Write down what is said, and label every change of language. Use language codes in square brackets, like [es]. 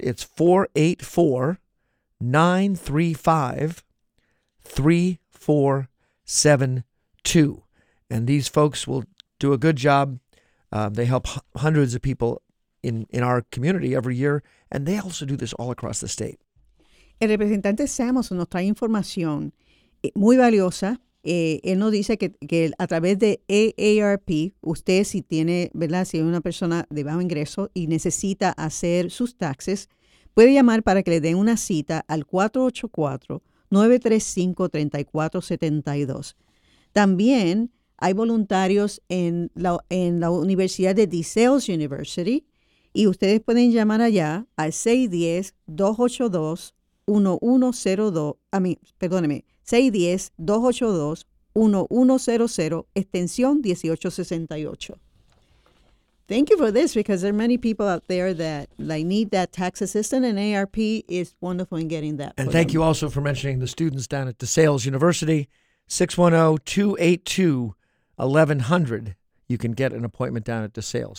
[en] It's 484-935-3472. And these folks will do a good job. They help hundreds of people in our community every year, and they also do this all across the state. [es] El representante Samuelson nos trae información muy valiosa. Él nos dice que a través de AARP, usted si tiene, ¿verdad? Si es una persona de bajo ingreso y necesita hacer sus taxes, puede llamar para que le den una cita al 484-935-3472. También hay voluntarios en la Universidad de DeSales University y ustedes pueden llamar allá al 610-282-1100, extensión 1868. [en] Thank you for this because there are many people out there that like need that tax assistance and AARP is wonderful in getting that. And thank you also for mentioning the students down at DeSales University, 610-282-1100, you can get an appointment down at DeSales.